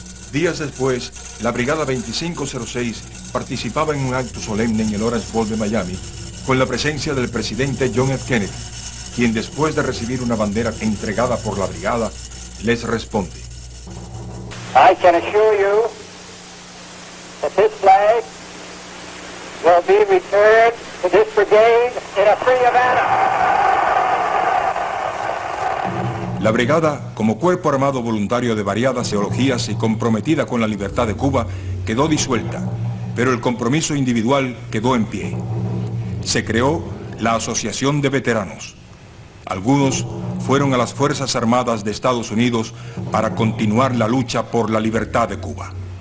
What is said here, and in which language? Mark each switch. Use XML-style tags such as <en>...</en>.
<es>Días después, la Brigada 2506 participaba en un acto solemne en el Orange Bowl de Miami con la presencia del presidente John F. Kennedy, quien después de recibir una bandera entregada por la Brigada, les responde.</es> <en>I can assure you that this flag will be returned to this brigade in a free manner.</en> <es>La Brigada, como cuerpo armado voluntario de variadas ideologías y comprometida con la libertad de Cuba, quedó disuelta, pero el compromiso individual quedó en pie. Se creó la Asociación de Veteranos. Algunos fueron a las Fuerzas Armadas de Estados Unidos para continuar la lucha por la libertad de Cuba.</es>